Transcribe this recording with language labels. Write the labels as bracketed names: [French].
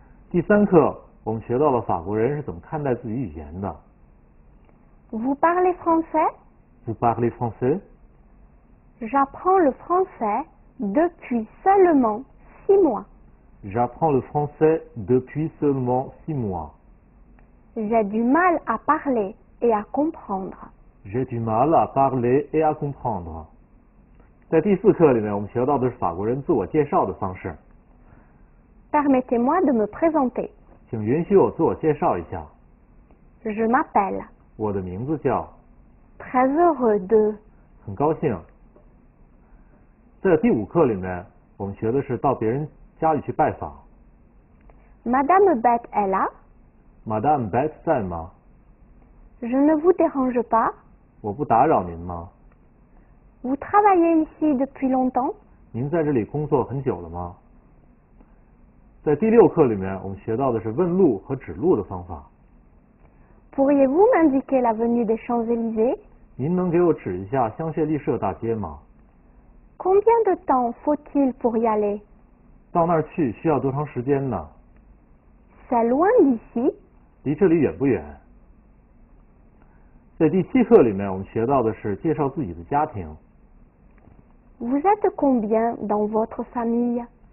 [Chinese] 第三课，我们学到了法国人是怎么看待自己语言的。 [French] Vous parlez français? Vous parlez français? J'apprends le français depuis seulement 6 mois. J'apprends le français depuis seulement 6 mois. J'ai du mal à parler et à comprendre. J'ai du mal à parler et à comprendre. [Chinese] 在第四课里面，我们学到的是法国人自我介绍的方式。 [French] Permettez-moi de me présenter. [Chinese] 请允许我自我介绍一下。 [French] Je m'appelle. [Chinese] 我的名字叫。 [French] Très heureux de. [Chinese] 很高兴。在第五课里面，我们学的是到别人家里去拜访。 [French] Madame Bette est là? [Chinese] Madame Bette 在吗？ [French] Je ne vous dérange pas? [Chinese] 我不打扰您吗？ [French] Vous travaillez ici depuis longtemps? [Chinese] 您在这里工作很久了吗？在第六课里面，我们学到的是问路和指路的方法。 [French] Pourriez-vous m'indiquer l'avenue des Champs-Élysées? [Chinese] 您能给我指一下香榭丽舍大街吗？ [French] Combien de temps faut-il pour y aller? [Chinese] 到那儿去需要多长时间呢？ [French] C'est loin d'ici? 离这里远不远？ [Chinese] 在第七课里面，我们学到的是介绍自己的家庭。 [French] Vous êtes combien dans votre famille?